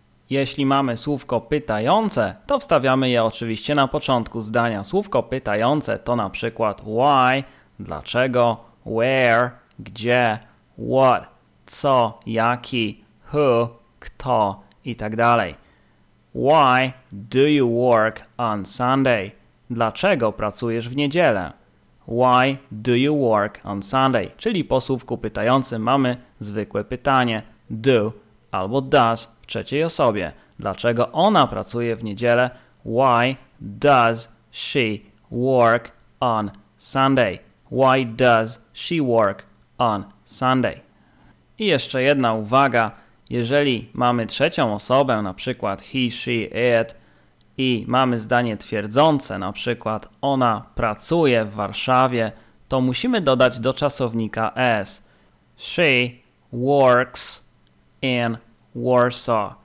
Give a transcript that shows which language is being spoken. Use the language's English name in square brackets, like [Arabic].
[Polish] Jeśli mamy słówko pytające, to wstawiamy je oczywiście na początku zdania. Słówko pytające to na przykład why, dlaczego, where, gdzie, what, co, jaki, who, kto i tak dalej. [English] Why do you work on Sunday? [Polish] Dlaczego pracujesz w niedzielę? [English] Why do you work on Sunday? [Polish] Czyli po słówku pytającym mamy zwykłe pytanie. Do albo does w trzeciej osobie. Dlaczego ona pracuje w niedzielę? [English] Why does she work on Sunday? Why does she work on Sunday? [Polish] I jeszcze jedna uwaga. Jeżeli mamy trzecią osobę, na przykład he, she, it, i mamy zdanie twierdzące, na przykład ona pracuje w Warszawie, to musimy dodać do czasownika s. [English] She works in Warsaw.